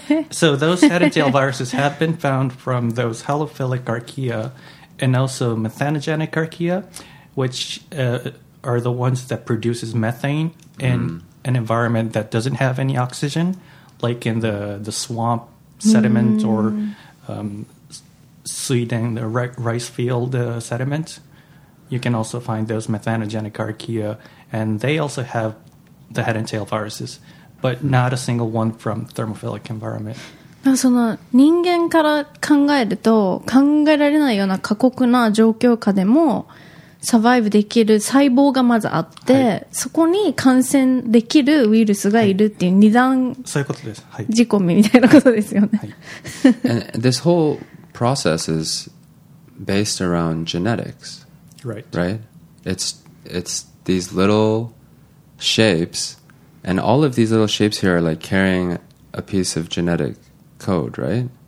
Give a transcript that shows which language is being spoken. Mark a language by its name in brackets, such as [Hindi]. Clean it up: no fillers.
[English] So those head and tail viruses have been found from those halophilic archaea and also methanogenic archaea, which are the ones that produces methane in an environment that doesn't have any oxygen, like in the swamp sediment or... Sweden, the rice field sediment, you can also find those methanogenic archaea, and they also have the head and tail viruses, but not a single one from thermophilic environment. [Japanese] その人間から考えると考えられないような過酷な状況下でもサバイブできる細胞がまずあって、はい、そこに感染できるウイルスがいるっていう二段そういうことです。はい。仕込みみたいなことですよね。はい。 [English] And this whole process is based around genetics, right? Right. It's these little shapes, and all of these little shapes here are like carrying a piece of genetic code, right?